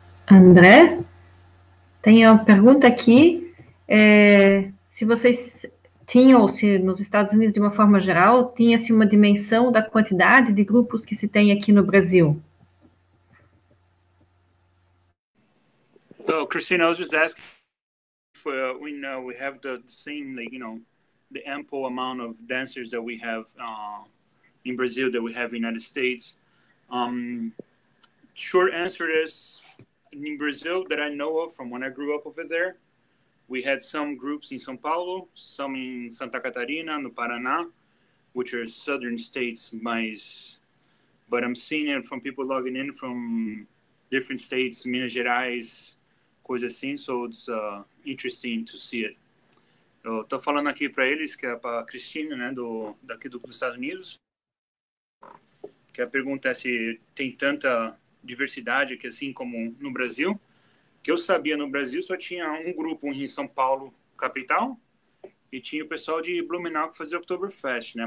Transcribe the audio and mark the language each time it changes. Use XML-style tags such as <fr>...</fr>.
<pt>André, tem uma pergunta aqui, se vocês tinham, ou se nos Estados Unidos, de uma forma geral, tinha-se uma dimensão da quantidade de grupos que se tem aqui no Brasil?</pt> <en>So, Christina, I was just asking if we know we have the same, like, you know, the ample amount of dancers that we have in Brazil that we have in the United States. Short answer is, in Brazil, that I know of from when I grew up over there, we had some groups in São Paulo, some in Santa Catarina, no Paraná, which are southern states, but I'm seeing it from people logging in from different states, Minas Gerais,</en> <pt>coisa assim,</pt> <en>so it's interesting to see it.</en> <pt>Eu tô falando aqui para eles, que é para a Cristina, né, daqui dos Estados Unidos, que a pergunta é se tem tanta diversidade, que assim como no Brasil, que eu sabia no Brasil só tinha um grupo em São Paulo, capital, e tinha o pessoal de Blumenau que fazia Oktoberfest, né?</pt>